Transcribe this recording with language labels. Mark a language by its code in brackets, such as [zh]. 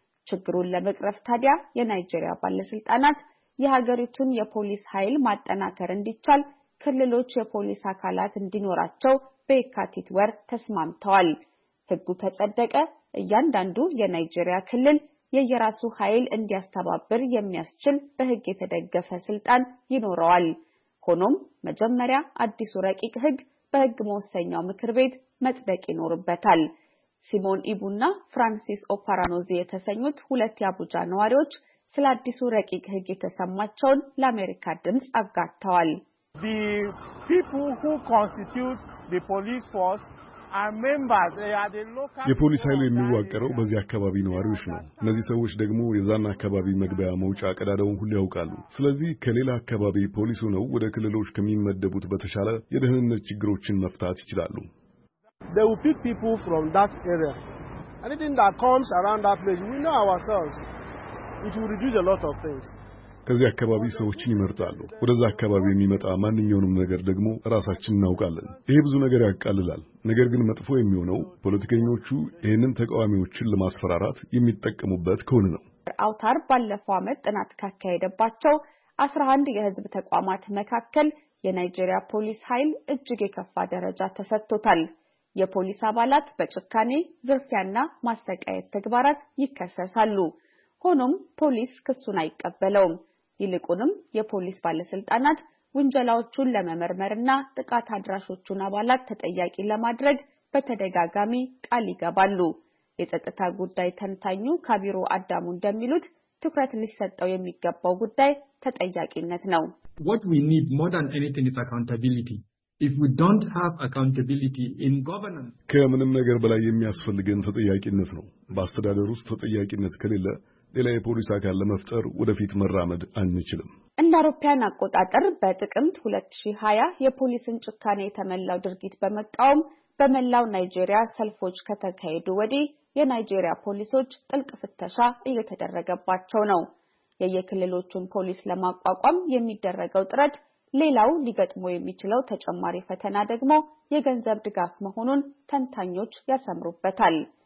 [am] ችግሩን ለመቅረፍ ታዲያ የናይጄሪያ ባለስልጣናት የሀገሪቱን የፖሊስ ኃይል ማጠናከር እንዲቻል ክልሎች የፖሊስ አካላት እንዲኖራቸው በየካቲት ወር ተስማምተዋል። ህጉ ተጸደቀ፣ እያንዳንዱ የናይጄሪያ ክልል የየራሱ ኃይል እንዲያስተባብር የሚያስችል በህግ የተደገፈ ስልጣን ይኖረዋል። ሆኖም መጀመሪያ አዲሱ ረቂቅ ህግ በህግ መወሰኛው ምክር ቤት መጽደቅ ይኖርበታል። ሲሞን ኢቡና ፍራንሲስ ኦፓራኖዚ የተሰኙት ሁለት የአቡጃ ነዋሪዎች ስለ አዲሱ ረቂቅ ህግ የተሰማቸውን ለአሜሪካ ድምጽ አጋርተዋል። [en] The people who constitute the police force are members. They are the local. [am] የፖሊስ ኃይል የሚዋቀረው በዚህ አካባቢ ነዋሪዎች ነው። እነዚህ ሰዎች ደግሞ የዛና አካባቢ መግቢያ መውጫ ቀዳዳውን ሁሉ ያውቃሉ። ስለዚህ ከሌላ አካባቢ ፖሊስ ሆነው ወደ ክልሎች ከሚመደቡት በተሻለ የደህንነት ችግሮችን መፍታት ይችላሉ። [en] They will pick people from that area. Anything that comes around that place, we know ourselves. It will reduce a lot of things. [am] ከዚህ አካባቢ ሰዎችን ይመርጣሉ። ወደዛ አካባቢ የሚመጣ ማንኛውንም ነገር ደግሞ ራሳችን እናውቃለን። ይሄ ብዙ ነገር ያቃልላል። ነገር ግን መጥፎ የሚሆነው ፖለቲከኞቹ ይሄንን ተቃዋሚዎችን ለማስፈራራት የሚጠቀሙበት ከሆነ ነው። አውታር ባለፈው አመት ጥናት ካካሄደባቸው 11 የህዝብ ተቋማት መካከል የናይጄሪያ ፖሊስ ኃይል እጅግ የከፋ ደረጃ ተሰጥቶታል። የፖሊስ አባላት በጭካኔ፣ ዝርፊያና ማሰቃየት ተግባራት ይከሰሳሉ። ሆኖም ፖሊስ ክሱን አይቀበለውም። ይልቁንም የፖሊስ ባለስልጣናት ወንጀላዎቹን ለመመርመርና ጥቃት አድራሾቹን አባላት ተጠያቂ ለማድረግ በተደጋጋሚ ቃል ይገባሉ። የጸጥታ ጉዳይ ተንታኙ ካቢሮ አዳሙ እንደሚሉት ትኩረት ሊሰጠው የሚገባው ጉዳይ ተጠያቂነት ነው። [en] What we need more than anything is accountability. If we don't have accountability in governance, [am] ከምንም ነገር በላይ የሚያስፈልገን ተጠያቂነት ነው። በአስተዳደር ውስጥ ተጠያቂነት ከሌለ ሌላ የፖሊስ አካል ለመፍጠር ወደፊት መራመድ አንችልም። እንደ አውሮፓውያን አቆጣጠር በጥቅምት 2020 የፖሊስን ጭካኔ የተመላው ድርጊት በመቃወም በመላው ናይጄሪያ ሰልፎች ከተካሄዱ ወዲህ የናይጄሪያ ፖሊሶች ጥልቅ ፍተሻ እየተደረገባቸው ነው። የየክልሎቹን ፖሊስ ለማቋቋም የሚደረገው ጥረት ሌላው ሊገጥመው የሚችለው ተጨማሪ ፈተና ደግሞ የገንዘብ ድጋፍ መሆኑን ተንታኞች ያሰምሩበታል።